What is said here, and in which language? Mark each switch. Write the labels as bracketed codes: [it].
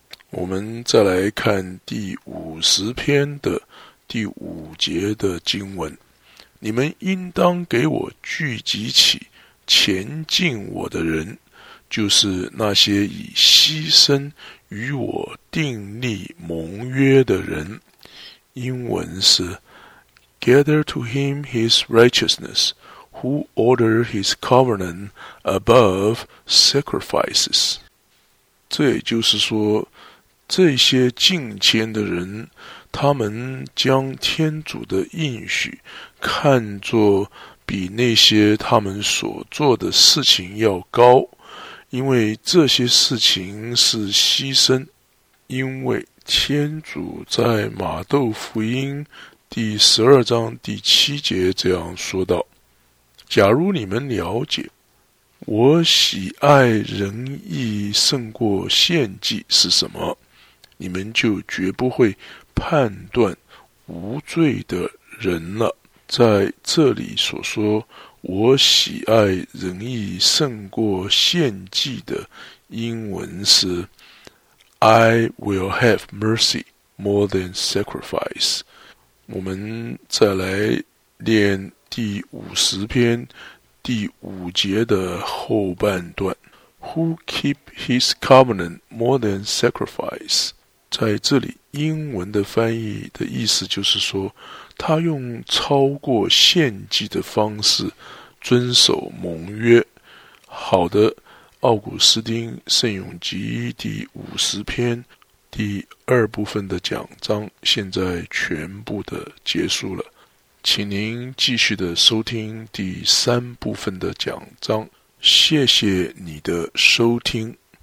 [zh] 我们再来看第50篇的第5节的经文，你们应当给我聚集起前进我的人，就是那些以牺牲与我订立盟约的人。 [en] 英文是 Gather to him his righteousness, who order his covenant above sacrifices。 [zh] 这也就是说，这些敬虔的人，他们将天主的应许看作比那些他们所做的事情要高，因为这些事情是牺牲。因为天主在马窦福音第12章第7节这样说道，假如你们了解我喜爱仁义胜过献祭是什么，你们就绝不会判断无罪的人了。在这里所说我喜爱仁义胜过献祭的英文是 I will have mercy more than sacrifice。我们再来念第50篇第5节的后半段， Who keep his covenant more than sacrifice。在这里英文的翻译的意思就是说，他用超过献祭的方式遵守盟约。好的，奥古斯丁圣咏集第50篇第2部分的讲章现在全部的结束了，请您继续的收听第3部分的讲章。谢谢你的收听。